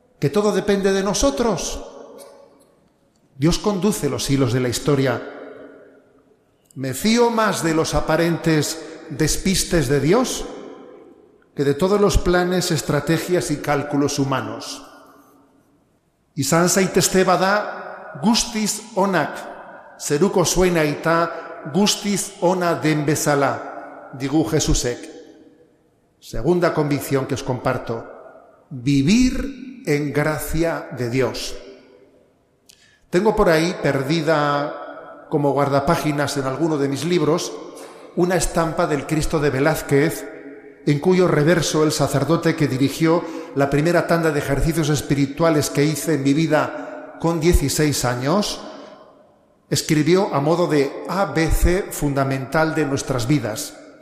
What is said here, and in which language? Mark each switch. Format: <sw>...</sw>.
<es>¿Que todo depende de nosotros? Dios conduce los hilos de la historia. ¿Me fío más de los aparentes despistes de Dios que de todos los planes, estrategias y cálculos humanos?</es> <eu>izan zaitezte bada guztiz onak, zeruko zuena eta guztiz ona den bezala, digu Jesusek.</eu> <es>Segunda convicción que os comparto, vivir en gracia de Dios. Tengo por ahí, perdida como guardapáginas en alguno de mis libros, una estampa del Cristo de Velázquez, en cuyo reverso el sacerdote que dirigió la primera tanda de ejercicios espirituales que hice en mi vida con 16 años, escribió a modo de ABC fundamental de nuestras vidas.</es>